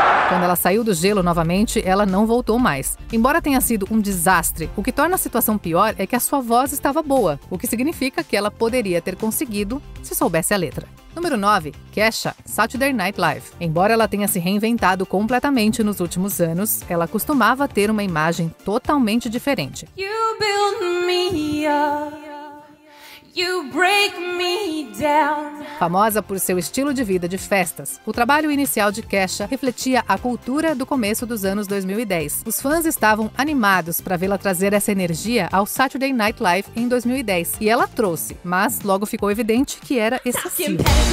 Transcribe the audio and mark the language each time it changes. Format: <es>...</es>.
<pt>Quando ela saiu do gelo novamente, ela não voltou mais. Embora tenha sido um desastre, o que torna a situação pior é que a sua voz estava boa, o que significa que ela poderia ter conseguido se soubesse a letra. Número 9. Kesha, Saturday Night Live. Embora ela tenha se reinventado completamente nos últimos anos, ela costumava ter uma imagem totalmente diferente.</pt> <en>You build me up, you break me down.</en> <pt>Famosa por seu estilo de vida de festas, o trabalho inicial de Kesha refletia a cultura do começo dos anos 2010. Os fãs estavam animados para vê-la trazer essa energia ao Saturday Night Live em 2010. E ela trouxe, mas logo ficou evidente que era excessivo.</pt>